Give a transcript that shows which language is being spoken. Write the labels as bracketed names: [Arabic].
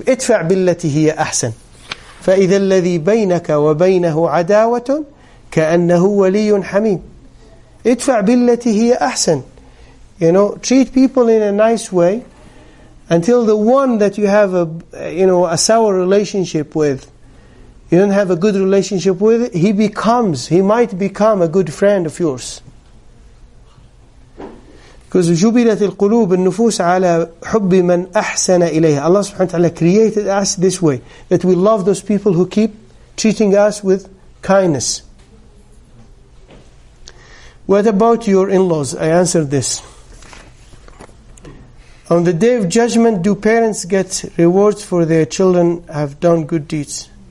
[Arabic] اِدْفَعْ بِالَّتِي هِيَ أَحْسَنْ فَإِذَا الَّذِي بَيْنَكَ وَبَيْنَهُ عَدَاوَةٌ كَأَنَّهُ وَلِيٌّ حَمِيمٌ اِدْفَعْ بِالَّتِي هِيَ أَحْسَنْ. [English] You know, treat people in a nice way until the one that you have a sour relationship with, you don't have a good relationship with, he might become a good friend of yours. Because [Arabic] جُبِلَتْ الْقُلُوبِ النُّفُوسِ عَلَى حُبِّ مَنْ أَحْسَنَ إِلَيْهَا. [English] Allah subhanahu wa ta'ala created us this way, that we love those people who keep treating us with kindness. What about your in-laws? I answered this. On the day of judgment, do parents get rewards for their children have done good deeds?